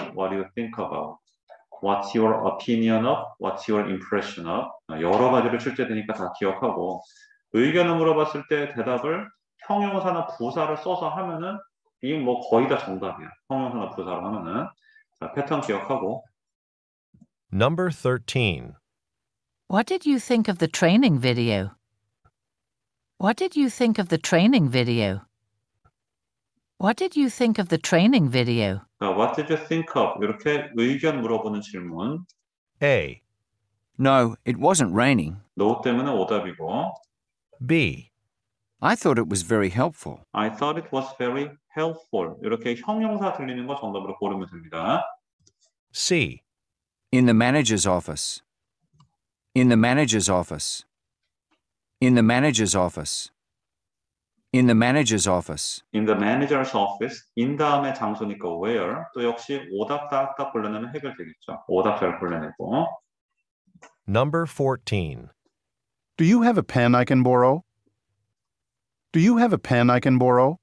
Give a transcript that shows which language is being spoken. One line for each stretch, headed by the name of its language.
English: What do you think about? What's your opinion of? What's your impression of?
Korean: 여러 가지로 출제되니까 다 기억하고 의견을 물어봤을 때 대답을 형용사나 부사를 써서 하면은 이게 뭐 거의 다 정답이야. 형용사나 부사로 하면은. 자, 패턴 기억하고.
English: Number 13. What did you think of the training video? What did you think of the training video? What did you think of the training video? 자, what did you think of?
Korean: 이렇게 의견 물어보는 질문.
English: A. No, it wasn't raining.
Korean: No 때문에 오답이고.
English: B. I thought it was very helpful. I thought it was very helpful.
Korean: 이렇게 형용사 들리는 거 정답으로 고르면 됩니다.
English: C. In the manager's office. In the manager's office. In the manager's office. In the manager's office. In the manager's office. In
Korean: 다음에 장소니까
English: where.
Korean: 또 역시 오답 답답 불러내면 해결되겠죠. 오답자를 불러내고.
English: Number 14. Do you have a pen I can borrow? Do you have a pen I can borrow?